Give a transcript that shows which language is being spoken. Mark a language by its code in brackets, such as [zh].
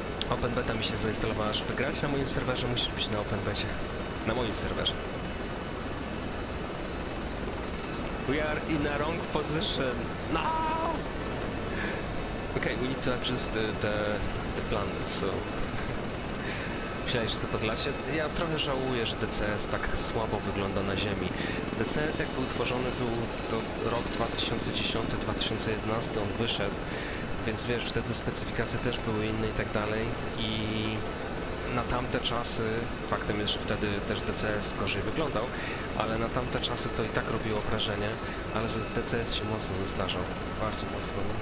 [pl] Open beta mi się zainstalowała, żeby grać na moim serwerze, musisz być na open becie. Na moim serwerze. [en] We are in a wrong position. No! Okay, we need to adjust the plan, so... [pl] Myślałeś, że to podlasie? Ja trochę żałuję, że DCS tak słabo wygląda na ziemi. DCS jak był tworzony, był to rok 2010-2011, on wyszedł, więc wiesz, wtedy specyfikacje też były inne i tak dalej. I na tamte czasy, faktem jest, że wtedy też DCS gorzej wyglądał, ale na tamte czasy to i tak robiło wrażenie, ale DCS się mocno zestarzał, bardzo mocno.